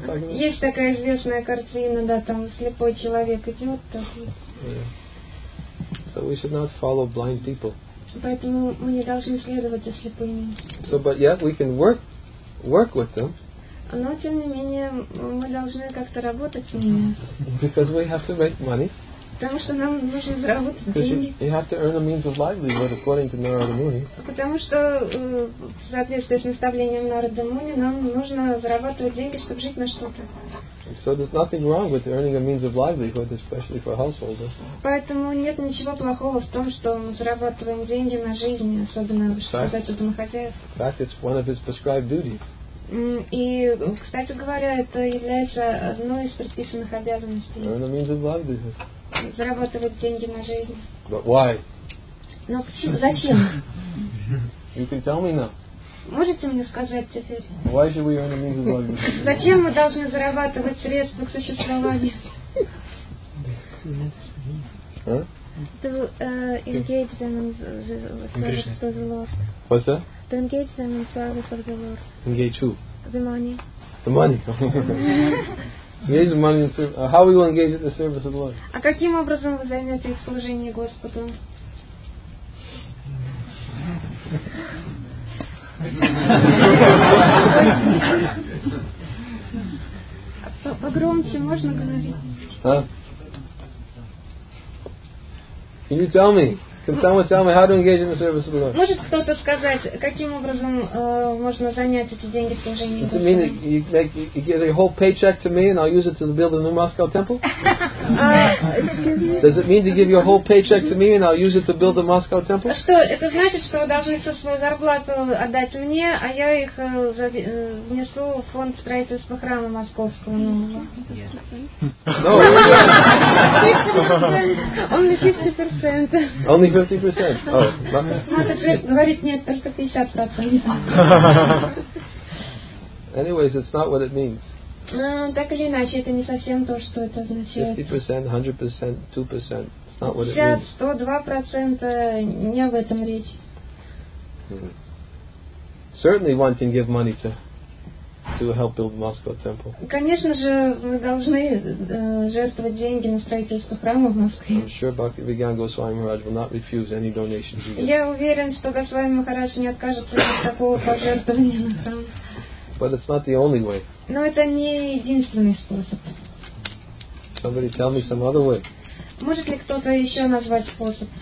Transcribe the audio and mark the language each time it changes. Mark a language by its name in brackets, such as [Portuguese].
[Russian] Есть такая известная картина, да, там слепой человек идет. Так вот. [English] So we should not follow blind people. [Russian] Поэтому мы не должны следовать ослепыми. [English] So, but yet we can work with them. [Russian] Но тем не менее мы должны как-то работать с ними. [English] Because we have to make money. [Russian] Потому что нам нужно заработать деньги. [English] You have to earn a means of livelihood according to Narada Muni. [Russian] Потому что в соответствии с наставлением Нарада Муни нам нужно зарабатывать деньги, чтобы жить на что-то. [English] So there's nothing wrong with earning a means of livelihood, especially for householders. [Russian] Поэтому нет ничего плохого в том, что мы зарабатываем деньги на жизнь, особенно чтобы домохозяев. [English] In fact, it's one of his prescribed duties. [Russian] И, кстати говоря, это является одной из предписанных обязанностей. [English] Earn a means of livelihood. [Russian] Зарабатывать деньги на жизнь. [English] But why? [Russian] Но почему? Зачем? [English] You can tell me now. [Russian] Можете мне сказать теперь? [English] Why should we earn a means of livelihood? [Russian] Зачем мы должны зарабатывать средства к существованию? [English] To engage them in the service of the Lord. What's that? To engage them in service of the Lord. Engage who? The money. The money. Engage the money in service. How we will engage in the service of the Lord? [Russian] А каким образом вы займете их служение Господу? Погромче можно говорить? [English] Can you tell me? Can someone tell me how to engage in the service of the Lord? [Russian] Может кто-то сказать, каким образом можно занять эти деньги в служении Господу? [English] You mean you give a whole paycheck to me and I'll use it to build a new Moscow temple? Does it mean to give you a whole paycheck to me and I'll use it to build a Moscow temple? [Russian] Что это значит, что вы должны всю свою зарплату отдать мне, а я их внесу в фонд строительства храма московского? [English] No. Only 50%. Only 50%. Oh, [Russian] говорить нет, только 50%. [English] Anyways, it's not what it means. [Russian] Так или иначе, это не совсем то, что это означает. [English] 50%, 100%, 2%. It's not what it means. [Russian] 50, 102% не об этом речь. [English] Certainly, one can give money to help build the Moscow temple. [Russian] Конечно же, вы должны жертвовать деньги на строительство храма в Москве. [English] I'm sure Bhakti Vigyan Goswami Maharaj will not refuse any donation. [Russian] Я уверен, что Госвами Махарадж не откажется от такого пожертвования на храм. [English] But it's not the only way. [Russian] Но это не единственный способ. [English] Somebody tell me some other way. [Russian] Может ли кто-то еще назвать способ?